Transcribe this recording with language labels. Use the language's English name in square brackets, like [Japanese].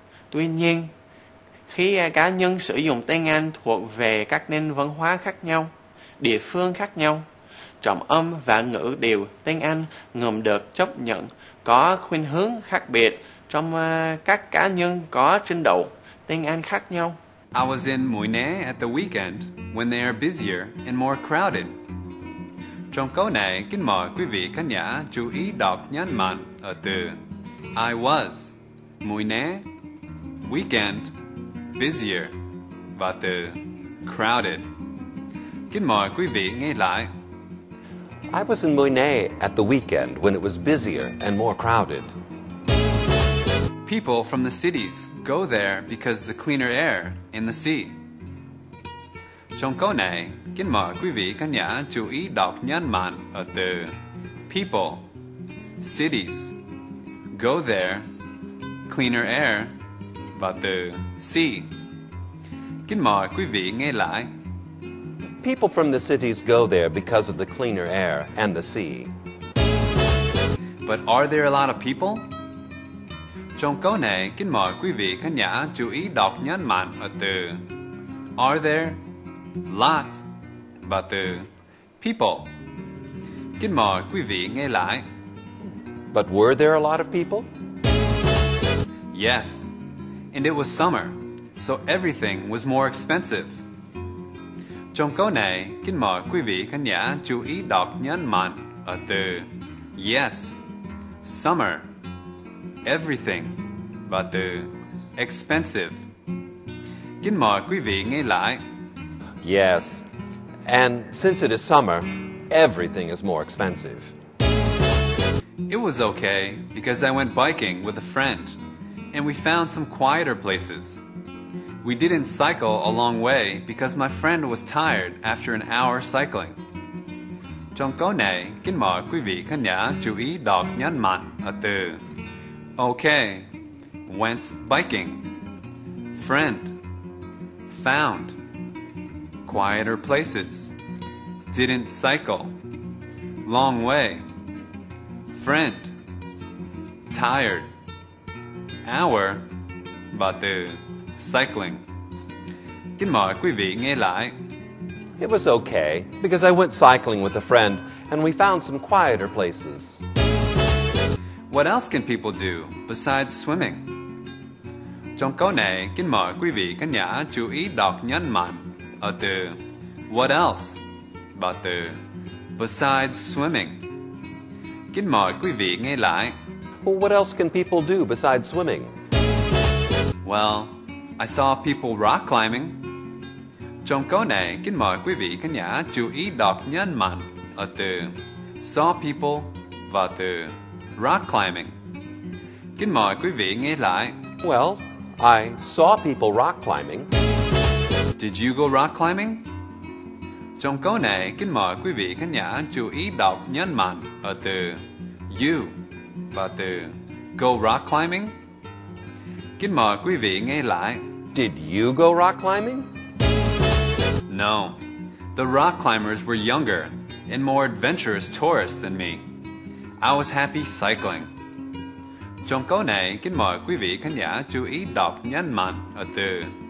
[Vietnamese] Tuy nhiên, khi cá nhân sử dụng tiếng Anh thuộc về các nền văn hóa khác nhau, địa phương khác nhau, trọng âm và ngữ điệu tiếng Anh ngầm được chấp nhận có khuynh hướng khác biệt trong các cá nhân có trình độ tiếng Anh khác nhau. [English] I was in Munich at the weekend when they are busier and more crowded. [Vietnamese] Trong câu này, kính mời quý vị khán giả chú ý đọc nhấn mạnh ở từ I was, Munich, weekend, busier và từ crowded. Kính mời quý vị nghe lại. [English] I was in Munich at the weekend when it was busier and more crowded. People from the cities go there because the cleaner air and the sea. [Vietnamese] Trong câu này, kính mời quý vị khán giả chú ý đọc nhấn mạnh ở từ people, cities, go there, cleaner air và từ sea. Kính mời quý vị nghe lại. [English] People from the cities go there because of the cleaner air and the sea. But are there a lot of people? [Vietnamese] Trong câu này, kính mời quý vị khán giả chú ý đọc nhấn mạnh ở từ are there, lot và từ people. Kính mời quý vị nghe lại. [English] But were there a lot of people? Yes, and it was summer, so everything was more expensive. [Vietnamese] Trong câu này, kính mời quý vị khán giả chú ý đọc nhấn mạnh ở từ yes, summer, everything và từ expensive. Kính mời quý vị nghe lại. [English] Yes, And since it is summer, everything is more expensive. It was okay because I went biking with a friend and we found some quieter places. We didn't cycle a long way because my friend was tired after an hour cycling. [Vietnamese] Trong câu này, kính mời quý vị khán giả chú ý đọc nhấn mạnh ở từ [English] okay, went biking, friend, found, quieter places, didn't cycle, long way, friend, tired, hour, [Vietnamese] và từ [English] cycling. [Vietnamese] Kính mời quý vị nghe lại. [English] It was okay because I went cycling with a friend and we found some quieter places. What else can people do besides swimming? [Vietnamese] Trong câu này, kính mời quý vị khán giả chú ý đọc nhấn mạnh ở từ [English] what else [Vietnamese] và từ [English] besides swimming. [Vietnamese] Kính mời quý vị nghe lại. [English] Well, what else can people do besides swimming? Well, I saw people rock climbing. [Vietnamese] Trong câu này, kính mời quý vị khán giả chú ý đọc nhấn mạnh ở từ [English] saw people [Vietnamese] và từ [English] rock climbing. [Vietnamese] Kính mời quý vị nghe lại. [English] Well, I saw people rock climbing. Did you go rock climbing? [Vietnamese] Trong câu này, kính mời quý vị khán giả chú ý đọc nhấn mạnh ở từ [English] you [Vietnamese] và từ [English] go rock climbing. [Vietnamese] Kính mời quý vị nghe lại. [English] Did you go rock climbing? No, the rock climbers were younger and more adventurous tourists than me. I was happy cycling. [Vietnamese] Trong câu này, kính mời quý vị khán giả chú ý đọc nhấn mạnh ở từ